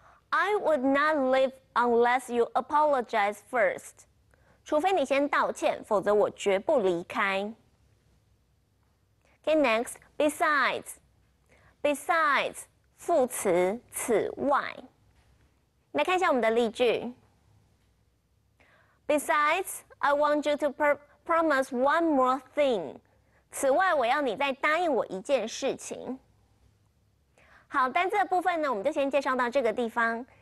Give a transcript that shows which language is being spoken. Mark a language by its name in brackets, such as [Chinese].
[English] I would not leave unless you apologize first. [Chinese] 除非你先道歉，否则我绝不离开。 [English] Okay, next, besides, besides, [Chinese] 副词，此外。来看一下我们的例句。 [English] Besides, I want you to promise one more thing. [Chinese] 此外，我要你再答应我一件事情。好，单字的部分呢，我们就先介绍到这个地方。